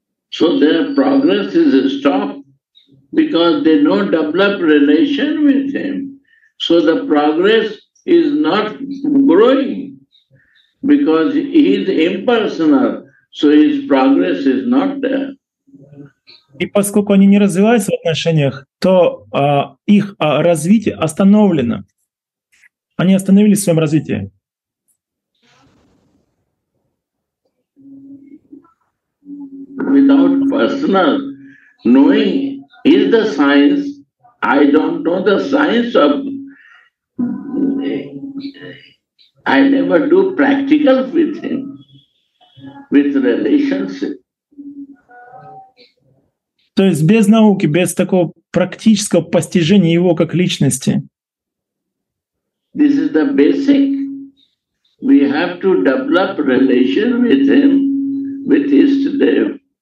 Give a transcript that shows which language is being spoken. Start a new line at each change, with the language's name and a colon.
English: So their progress is stopped because they don't develop relation with him. So the progress is not growing because he is impersonal. So his progress is not there.
Russian: И поскольку они не развиваются в отношениях, то их развитие остановлено. Они остановились в своем развитии.
English: Without personal knowing is the science, I don't know the science of... I never do practical with him. With relationship.
Russian: То есть без науки, без такого практического постижения его как личности.
English: This is the basic. We have to develop relation with him, with Ishtadev.